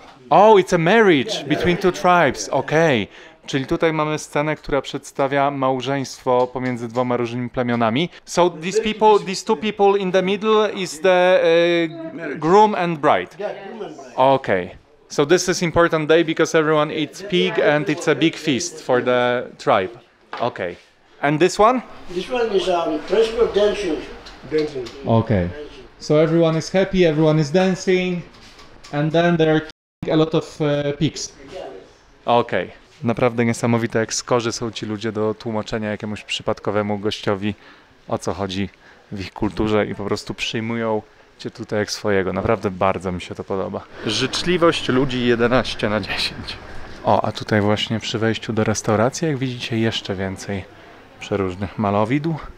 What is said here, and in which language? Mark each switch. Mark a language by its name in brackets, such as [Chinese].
[English] Oh, it's a marriage between two tribes. Okay. [Polish] Czyli tutaj mamy scenę, która przedstawia małżeństwo pomiędzy dwoma różnymi plemionami. [English] So these people, these two people in the middle is the groom and bride. Okay. So this is important day because everyone eats pig and it's a big feast for the tribe. Okay. And this one? This one is traditional dancing. Okay. So everyone is happy, everyone is dancing. and then they're killing a lot of pigs. Okay. [Polish] Naprawdę niesamowite, jak skorzy są ci ludzie do tłumaczenia jakiemuś przypadkowemu gościowi, o co chodzi w ich kulturze, i po prostu przyjmują cię tutaj jak swojego. Naprawdę bardzo mi się to podoba. Życzliwość ludzi 11 na 10. O, a tutaj właśnie przy wejściu do restauracji, jak widzicie, jeszcze więcej przeróżnych malowidł.